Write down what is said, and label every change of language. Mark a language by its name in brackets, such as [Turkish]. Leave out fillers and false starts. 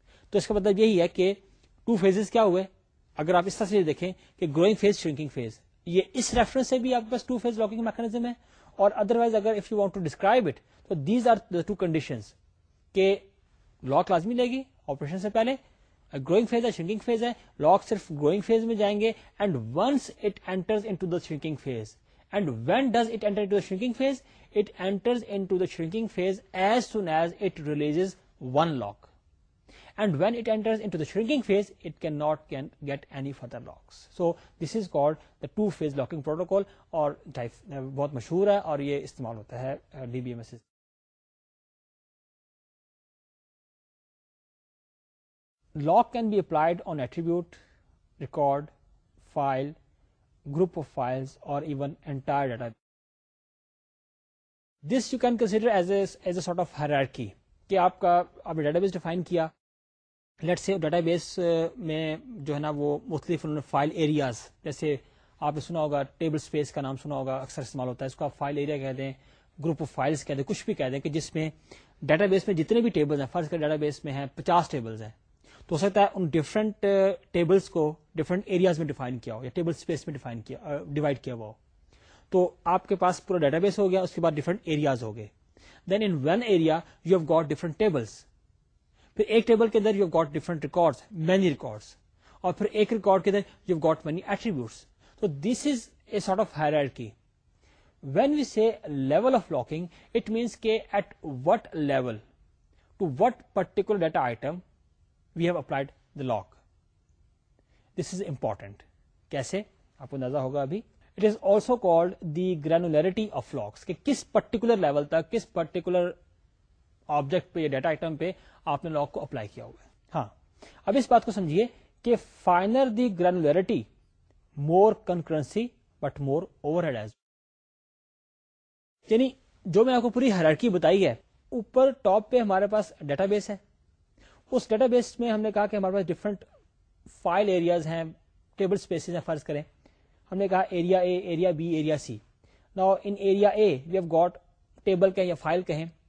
[Urdu] تو اس کا مطلب یہی ہے کہ ٹو فیزز کیا ہوئے. اگر آپ اس طرح سے دیکھیں کہ گروئنگ فیز, شرنکنگ فیز, یہ اس ریفرنس سے بھی آپ کے پاس ٹو فیز لاکنگ میکانزم ہے. اور ادروائز اگر [English] if you want to describe it, [Urdu] تو [English] these are the two conditions [Urdu] کہ لاک لازمی لے گی آپریشن سے پہلے, گروئنگ فیز ہے, شرنکنگ فیز ہے, لاک صرف گروئنگ فیز میں جائیں گے, [English] And once it enters into the shrinking phase. And when does it enter to the shrinking phase? It enters into the shrinking phase as soon as it releases one lock. And when it enters into the shrinking phase, it cannot can get any further locks. So this is called the two-phase locking protocol. Or type, [Urdu] بہت مشہور ہے اور یہ استعمال ہوتا ہے D B M S. [English] Lock can be applied on attribute, record, file, group of files or even entire data. This you can consider as a sort of hierarchy. [Urdu] کہ آپ کا آپ نے ڈیٹا بیس ڈیفائن کیا. [English] let say [Urdu] data base میں جو ہے نا وہ مختلف فائل ایریاز, جیسے آپ نے سنا ہوگا ٹیبل اسپیس کا نام سنا ہوگا اکثر استعمال ہوتا ہے, اس کو آپ فائل ایریا کہہ دیں, گروپ آف فائلس کہہ دیں, کچھ بھی کہہ دیں, کہ جس میں ڈیٹا بیس میں جتنے بھی ٹیبلز ہیں, فرض کر ڈیٹا بیس میں ہیں 50 ٹیبلز ہیں, تو ہو سکتا ہے ان ڈفرنٹ ٹیبلز کو ڈفرنٹ ایریاز میں ڈیفائن کیا ہو یا ٹیبل اسپیس میں ڈیفائن کیا ڈیوائڈ کیا ہوا ہو. تو آپ کے پاس پورا ڈیٹا بیس ہو گیا, اس کے بعد ڈفرنٹ ایریاز ہو گئے. [English] Then in one area you have got different tables. [Urdu] Phir ek table ke andar [English] you have got different records, many records. [Urdu] Aur phir ek record ke andar [English] you have got many attributes. So this is a sort of hierarchy. When we say level of locking, it means ke at what level, to what particular data item we have applied the lock. This is important. [Urdu] Kaise? Aapko andaza hoga abhi. [English] It is also called the granularity of locks. [Urdu] کہ کس particular level تک, کس particular object پہ یا data item پہ آپ نے lock کو apply کیا ہوا ہے. ہاں, اب اس بات کو سمجھیے کہ [English] finer the granularity, more concurrency but more overhead as well. [Urdu] یعنی جو میں آپ کو پوری hierarchy بتائی ہے, اوپر top پہ ہمارے پاس ڈیٹا بیس ہے, اس ڈیٹا بیس میں ہم نے کہا کہ ہمارے پاس ڈفرنٹ فائل ایریاز ہیں, ٹیبل اسپیسیز ہیں, فرض کریں ہم نے کہا area a, area be, area C. [English] now in area A we have got table [Urdu] کہیں یا فائل کہیں,